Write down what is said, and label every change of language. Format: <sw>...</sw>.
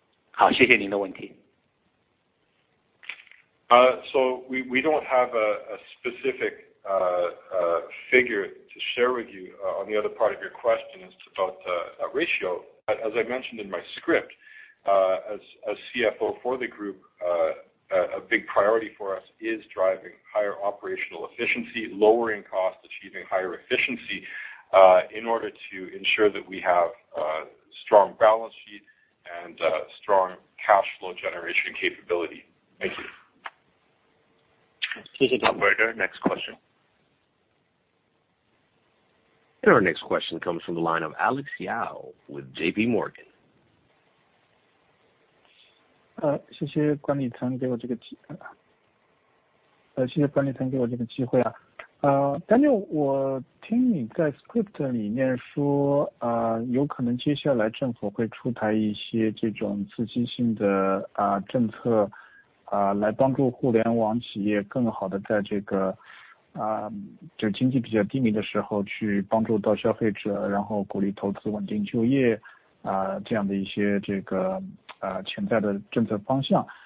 <zh>好，谢谢您的问题。</zh> <en>So we don't have a specific figure to share with you on the other part of your question is about that ratio. As I mentioned in my script, as CFO for the group, a big priority for us is driving higher operational efficiency, lowering costs, achieving higher efficiency in order to ensure that we have a strong balance sheet and strong cash flow generation capability. Thank you. Operator, next question. And our next question comes from the line of Alex Yao with JP Morgan.</en> <zh>谢谢管理层给我这个机会，谢谢管理层给我这个机会啊。 Daniel， 我听你在 script 里面说，有可能接下来政府会出台一些这种刺激性的政策，来帮助互联网企业更好的在这个就经济比较低迷的时候去帮助到消费者，然后鼓励投资、稳定就业，这样的一些这个潜在的政策方向。</zh>